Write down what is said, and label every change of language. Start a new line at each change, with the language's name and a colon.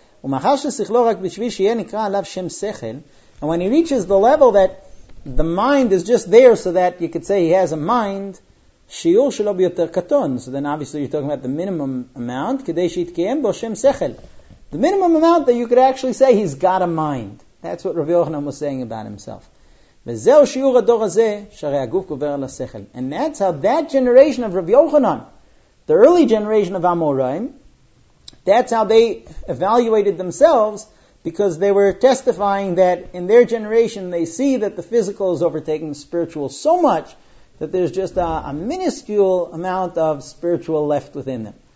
Hebrew: U'machal shesichlo rak b'shvi sheyeh nikra alav shem sechel.
English: And when he reaches the level that the mind is just there so that you could say he has a mind,
Hebrew: shiul shelo biyoter katon.
English: So then obviously you're talking about the minimum amount,
Hebrew: kedei sheitkeyem bo shem sechel.
English: The minimum amount that you could actually say he's got a mind. That's what Rav Yochanan was saying about himself.
Hebrew: וזהו שיעור הדור הזה, שהרי הגוף גובר על השכל.
English: And that's how that generation of Rabbi Yochanan, the early generation of Amoraim, that's how they evaluated themselves, because they were testifying that in their generation, they see that the physical is overtaking the spiritual so much that there's just a minuscule amount of spiritual left within them.